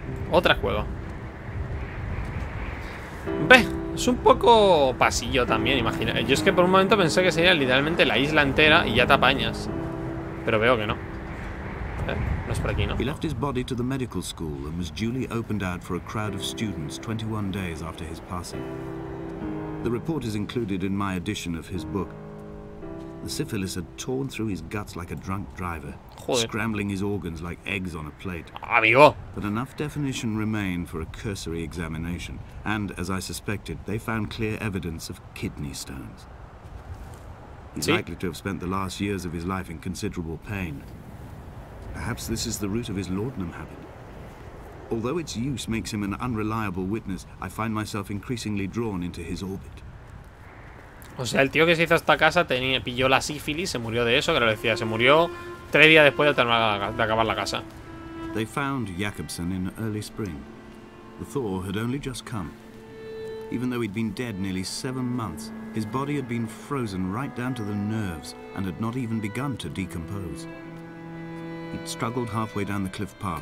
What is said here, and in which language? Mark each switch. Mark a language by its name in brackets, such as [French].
[Spanish] Otra cueva. Ve, es un poco pasillo también, imagina. Yo es que por un momento pensé que sería literalmente la isla entera y ya te apañas. Pero veo que no. No es por aquí, ¿no? [English] He left his body to the medical school and was duly opened out for a crowd of students 21 days after his passing. The report is included in my edition of his book. The syphilis had torn through his guts like a drunk driver, [Spanish] joder, [English] scrambling his organs like eggs on a plate. [Spanish] Amigo. [English] But enough definition remained for a cursory examination, and as I suspected, they found clear evidence of kidney stones. He's [Spanish] ¿sí? [English] likely to have spent the last years of his life in considerable pain. Perhaps this is the root of his laudanum habit. Although its use makes him an unreliable witness, I find myself increasingly drawn into his orbit. [Spanish] O sea, el tío que se hizo esta casa pilló la sífilis, se murió de eso, que lo decía, se murió 3 días después de terminar de acabar la casa. [English] They found Jacobson in early spring. The thaw had only just come. Even though he'd been dead nearly 7 months, his body had been frozen right down to the nerves and had not even begun to decompose. He'd struggled halfway down the cliff path.